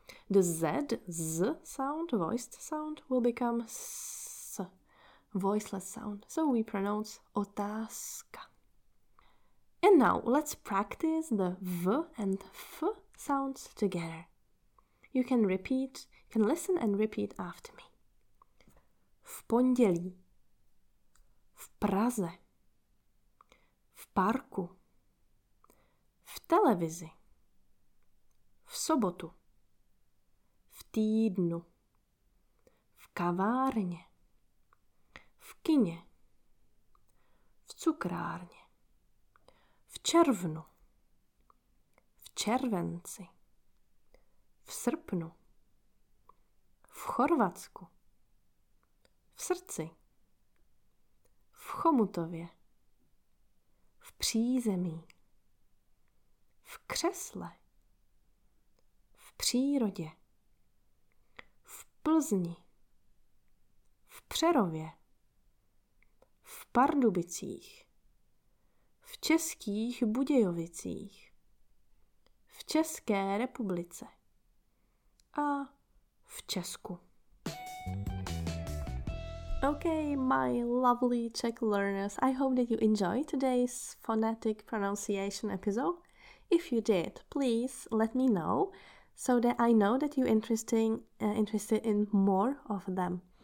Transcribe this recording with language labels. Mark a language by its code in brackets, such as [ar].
[en] The Z, Z sound, voiced sound, will become S, voiceless sound. So we pronounce otázka. And now let's practice the V and F sounds together. You can repeat, you can listen and repeat after me. [cs] V pondělí, v Praze, v parku, v televizi, v sobotu, v týdnu, v kavárně, v kině, v cukrárně, v červnu, v červenci, v srpnu, v Chorvatsku, v srdci, v Chomutově, v přízemí, v křesle, v přírodě, v Plzni, v Přerově, v Pardubicích, v Českých Budějovicích, v České republice, a v Česku. [en] Okay, my lovely Czech learners, I hope that you enjoyed today's phonetic pronunciation episode. If you did, please let me know so that I know that you're interested in more of them.